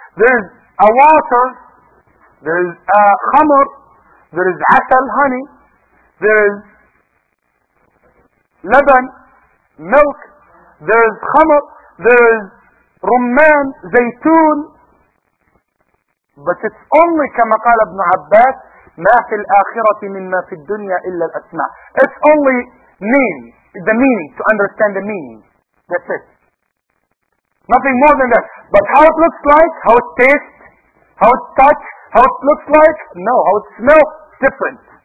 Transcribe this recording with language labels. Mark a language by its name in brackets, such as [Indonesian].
[English] There is a water, there is a khamr, there is asal, honey, there is laban, milk, there is khamr, there is rumman, zaytun. But it's only, [Arabic] كما قال ابن عباس, ما في الآخرة مما في الدنيا إلا الأسماء. [English] It's only name, the meaning, to understand the meaning. That's it. Nothing more than that. But how it looks like, how it tastes, how it touch, how it looks like, no, how it smells, different.